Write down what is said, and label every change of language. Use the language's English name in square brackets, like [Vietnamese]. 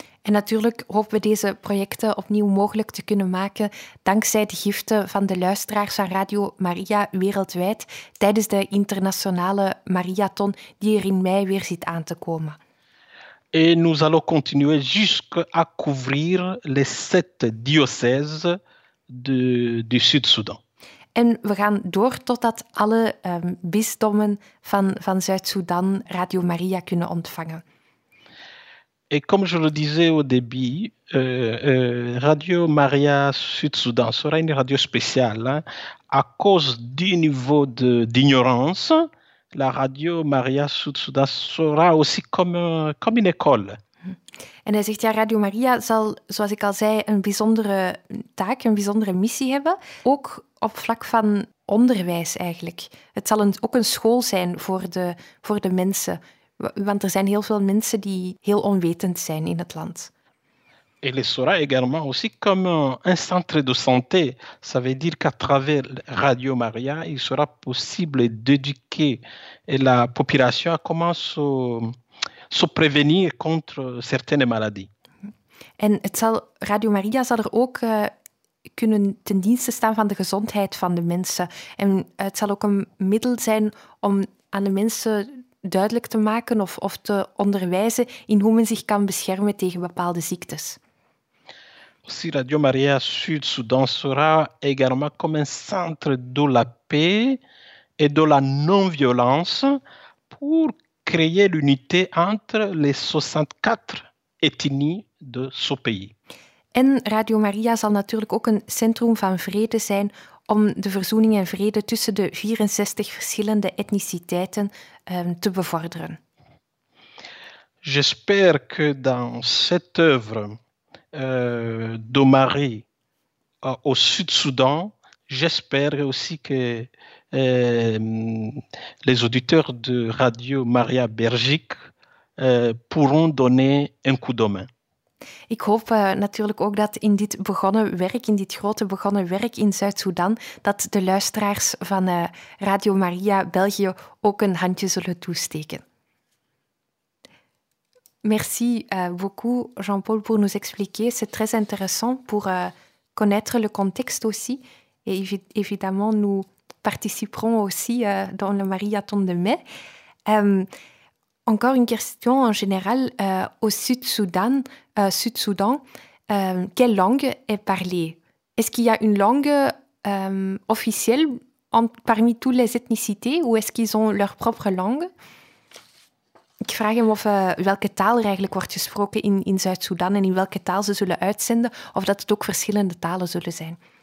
[Dutch] En natuurlijk hopen we deze projecten opnieuw mogelijk te kunnen maken dankzij de giften van de luisteraars van Radio Maria wereldwijd tijdens de internationale marathon die er in mei weer zit aan te komen. [French] Et nous allons continuer jusqu'à couvrir les 7 diocèses du Sud-Soudan. [Dutch] En we gaan door totdat alle bisdommen van Zuid-Soedan Radio Maria kunnen ontvangen. [French] Et comme je le disais au début, Radio Maria Sud-Soudan sera une radio spéciale. Hein, à cause du niveau d'ignorance, la Radio Maria Sud-Soedan sera aussi comme une école. [Dutch] En hij zegt, ja, Radio Maria zal, zoals ik al zei, een bijzondere taak, een bijzondere missie hebben. Ook op vlak van onderwijs eigenlijk. Het zal ook een school zijn voor de mensen. Want er zijn heel veel mensen die heel onwetend zijn in het land. [French] Elle sera également aussi comme un centre de santé. Ça veut dire qu'à travers Radio Maria, il sera possible d'éduquer la population à comment se prévenir contre certaines maladies. [Dutch] En Radio Maria zal er ook kunnen ten dienste staan van de gezondheid van de mensen. En het zal ook een middel zijn om aan de mensen duidelijk te maken of te onderwijzen in hoe men zich kan beschermen tegen bepaalde ziektes. [French] Aussi, Radio Maria Sud-Soudan sera également comme un centre de la paix et de la non-violence pour créer l'unité entre les 64 ethnies de ce pays. [Dutch] En Radio Maria zal natuurlijk ook een centrum van vrede zijn om de verzoening en vrede tussen de 64 verschillende etniciteiten te bevorderen. [French] J'espère que dans cette œuvre de Marie au Sud-Soudan, j'espère aussi que les auditeurs de Radio Maria Belgique pourront donner un coup de main. [Dutch] Ik hoop natuurlijk ook dat in dit begonnen werk, in dit grote begonnen werk in Zuid-Soedan, dat de luisteraars van Radio Maria België ook een handje zullen toesteken. [French] Merci beaucoup, Jean-Paul, pour nous expliquer. C'est très intéressant pour connaître le contexte aussi. Et évidemment, nous participerons aussi dans le marathon de mai. Encore une question en général. Au Sud-Soudan, quelle langue est parlée? Est-ce qu'il y a une langue officielle parmi toutes les ethnicités ou est-ce qu'ils ont leur propre langue? [Dutch] Ik vraag hem of welke taal er eigenlijk wordt gesproken in Zuid-Soedan en in welke taal ze zullen uitzenden, of dat het ook verschillende talen zullen zijn.